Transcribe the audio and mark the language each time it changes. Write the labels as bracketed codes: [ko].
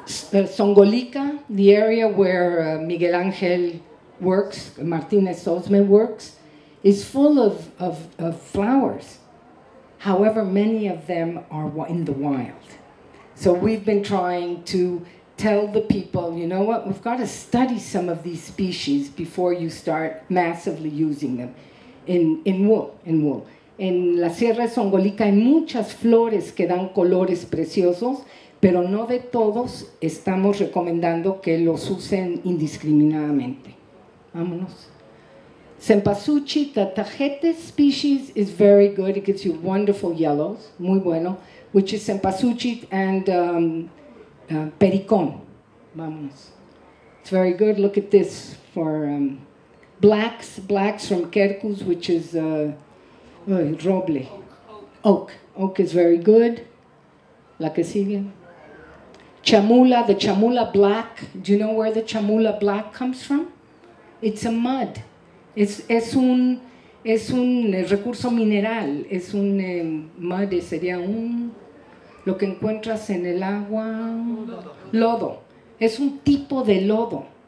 [en] The Songolica, the area where Miguel Angel works, Martinez Osme works, is full of flowers. However, many of them are in the wild. So we've been trying to tell the people, you know what, we've got to study some of these species before you start massively using them in wool. [es] En la Sierra de Songolica hay muchas flores que dan colores preciosos, pero no de todos estamos recomendando que los usen indiscriminadamente. [en] Vámonos. Cempasúchil, the tajete species is very good. It gives you wonderful yellows, muy bueno, which is cempasúchil and pericón. Vamos. It's very good. Look at this for blacks from quercus, which is roble. Oak is very good. La que sigue. Chamula, the chamula black. Do you know where the chamula black comes from? It's a mud. [es] Es un recurso mineral, es un mud, sería un, lo que encuentras en el agua, lodo. Es un tipo de lodo.